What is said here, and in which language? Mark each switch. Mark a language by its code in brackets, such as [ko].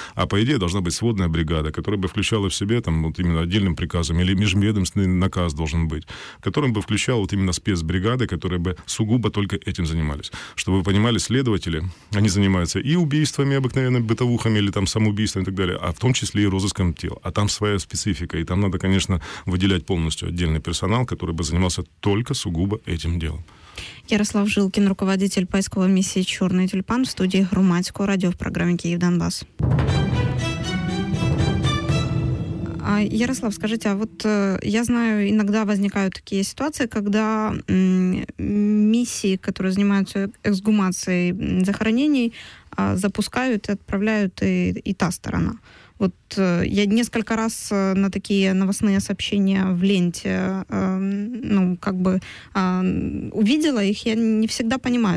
[ru] А по идее должна быть сводная бригада, которая бы включала в себе там... именно отдельным приказом, или межведомственный наказ должен быть, которым бы включал вот именно спецбригады, которые бы сугубо только этим занимались. Чтобы вы понимали, следователи, они занимаются и убийствами обыкновенно, бытовухами, или там самоубийствами и так далее, а в том числе и розыском тел. А там своя специфика, и там надо, конечно, выделять полностью отдельный персонал, который бы занимался только сугубо этим делом. [uk] Ярослав Жилкин, руководитель поискової місії «Чорний тюльпан» в студії громадського радіо в програмі «Київ-Донбас». [ru] Ярослав, скажите, а вот я знаю, иногда возникают такие ситуации, когда миссии, которые занимаются эксгумацией захоронений, запускают и отправляют и та сторона. Вот я несколько раз на такие новостные сообщения в ленте, ну, как бы, увидела их, я не всегда понимаю.